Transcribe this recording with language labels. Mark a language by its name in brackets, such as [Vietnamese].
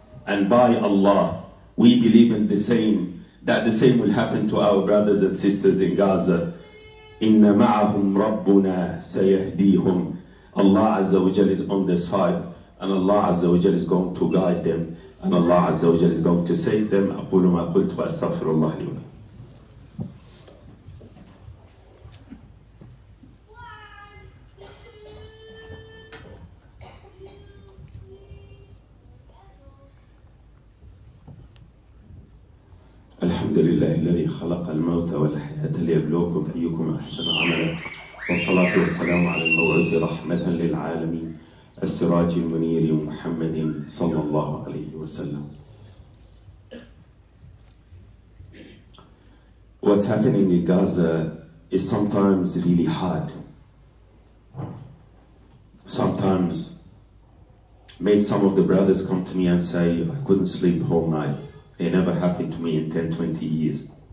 [English] And by Allah, we believe in the same, that the same will happen to our brothers and sisters in Gaza. [Arabic] إِنَّ مَعَهُمْ رَبُّنَا سَيَهْدِيهُمْ. [English] Allah Azza wa Jal is on their side, and Allah Azza wa Jal is going to guide them, and Allah Azza wa Jal is going to save them. [Arabic] أقول ما قلت وأستغفر الله لي ولكم. الحمد لله الذي خلق الموت والحياة ليبلوكم أيكم أحسن عملا والصلاة والسلام على الموعود رحمة للعالمين السراج المنير محمد صلى الله عليه وسلم. [English] What's happening in Gaza is sometimes really hard. Sometimes made some of the brothers come to me and say, I couldn't sleep the whole night. It never happened to me in 10, 20 years.